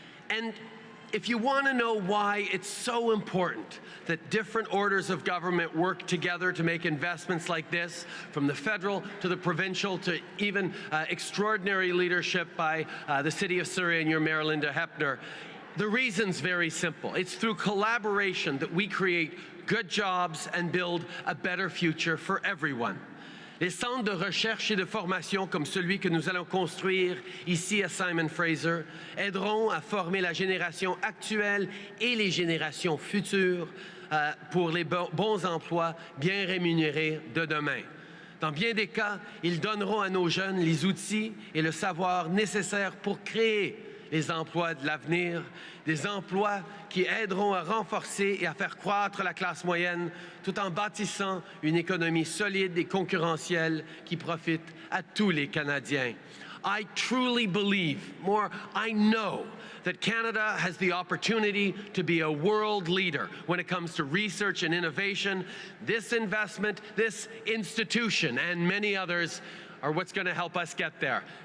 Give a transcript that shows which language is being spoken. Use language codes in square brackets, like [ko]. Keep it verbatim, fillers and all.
[en] And if you want to know why it's so important that different orders of government work together to make investments like this, from the federal to the provincial to even uh, extraordinary leadership by uh, the City of Surrey and your Mayor Linda Heppner, the reason's very simple. It's through collaboration that we create good jobs and build a better future for everyone. [fr] Les centres de recherche et de formation comme celui que nous allons construire ici à Simon Fraser aideront à former la génération actuelle et les générations futures euh, pour les bo- bons emplois bien rémunérés de demain. Dans bien des cas, ils donneront à nos jeunes les outils et le savoir nécessaires pour créer les emplois de l'avenir, des emplois qui aideront à renforcer et à faire croître la classe moyenne, tout en bâtissant une économie solide et concurrentielle qui profite à tous les Canadiens. [en] I truly believe, more, I know, that Canada has the opportunity to be a world leader when it comes to research and innovation. This investment, this institution, and many others are what's going to help us get there.